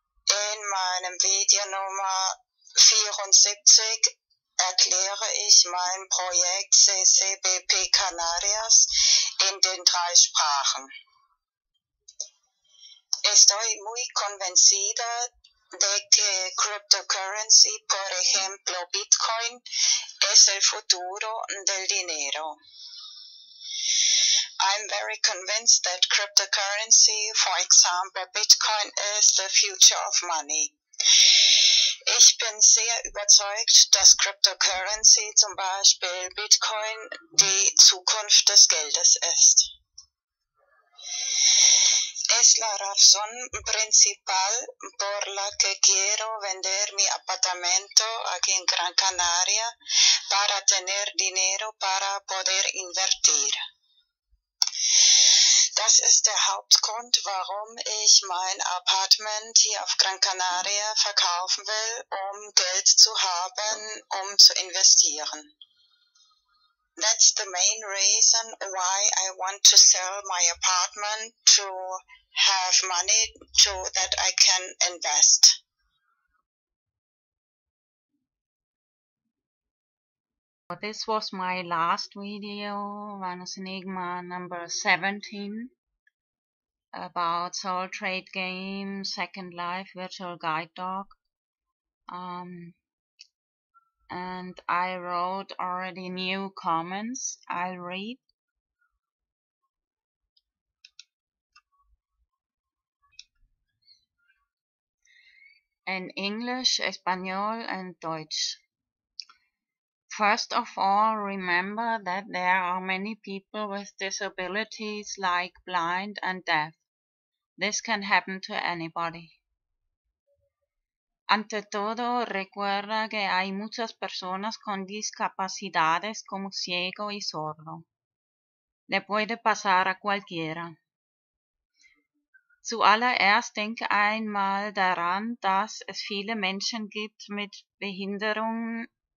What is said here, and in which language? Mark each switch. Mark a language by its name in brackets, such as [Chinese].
[German] In meinem Video Nummer 74 erkläre ich mein Projekt CCBP Canarias in den drei Sprachen. [Spanish] Estoy muy convencida de que cryptocurrency, por ejemplo Bitcoin, es el futuro del dinero. [English] I'm very convinced that cryptocurrency, for example Bitcoin, is the future of money. [German] Ich bin sehr überzeugt, dass cryptocurrency, zum Beispiel Bitcoin, die Zukunft des Geldes ist. [Spanish] Es la razón principal por la que quiero vender mi apartamento aquí en Gran Canaria para tener dinero para poder invertir. [German] Das ist der Hauptgrund, warum ich mein Apartment hier auf Gran Canaria verkaufen will, um Geld zu haben, um zu investieren. [English] That's the main reason why I want to sell my apartment to have money so that I can invest. Well, this was my last video, Vanus Enigma number 17, about SoulTradeGame, Second Life, Virtual Guide Dog. And I wrote already new comments. I'll read. In English, Espanol, and Deutsch. First of all, remember that there are many people with disabilities like blind and deaf. This can happen to anybody. [Spanish] Ante todo, recuerda que hay muchas personas con discapacidades como ciego y sordo. Le puede pasar a cualquiera. [German] Zuallererst denke einmal daran, dass es viele Menschen gibt mit Behinderungen,